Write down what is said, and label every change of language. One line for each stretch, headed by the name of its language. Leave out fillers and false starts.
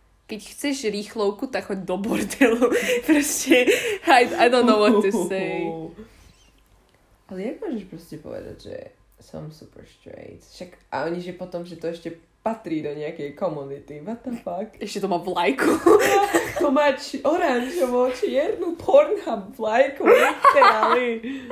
Slovak: Keď chceš rýchlovku, tak choď do bordelu. Proste,
English: I don't know what to say.
Slovak: Ale jak môžeš proste povedať, že som super straight? Však, a oni, že potom, že to ešte patrí do nejakej komunity.
English: What the fuck?
Slovak: Ešte to má vlajku. To má oranžovo, čiernu Pornhub vlajku.
English: Literally.